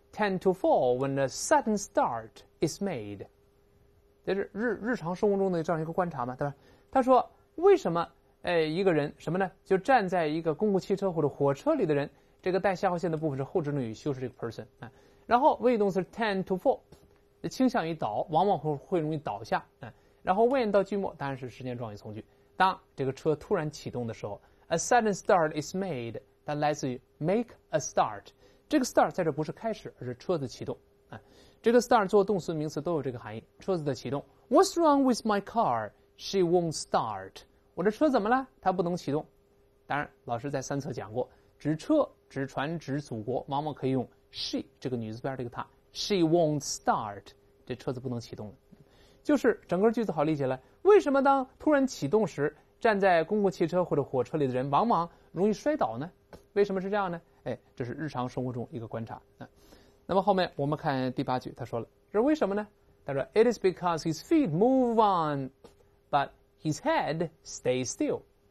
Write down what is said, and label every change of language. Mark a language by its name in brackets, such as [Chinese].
[English] tend to fall when a sudden start is made. [Chinese] 这是日常生活中的这样一个观察嘛，对吧？他说为什么一个人什么呢，就站在一个公共汽车或者火车里的人，这个带下划线的部分是后置动语修饰这个 person、啊、然后谓语动词 [English] tend to fall [Chinese] 倾向于倒，往往会容易倒下、啊、然后 when 到句末当然是时间状语从句，当这个车突然启动的时候， [English] a sudden start is made， [Chinese] 它来自于 [English] make a start， [Chinese] 这个 start 在这不是开始，而是车子启动、啊、这个 start 做动词名词都有这个含义，车子的启动。 [English] What's wrong with my car? She won't start。 [Chinese] 我的车怎么了？它不能启动。当然老师在三册讲过，指车、指船、指祖国，往往可以用 she 这个女字边这个她。 [English] She won't start， [Chinese] 这车子不能启动了。就是整个句子好理解了，为什么当突然启动时，站在公共汽车或者火车里的人往往容易摔倒呢？为什么是这样呢？哎，这是日常生活中一个观察。那么后面我们看第八句，他说了，这是为什么呢？他说 [English] It is because his feet move on but his head stays still。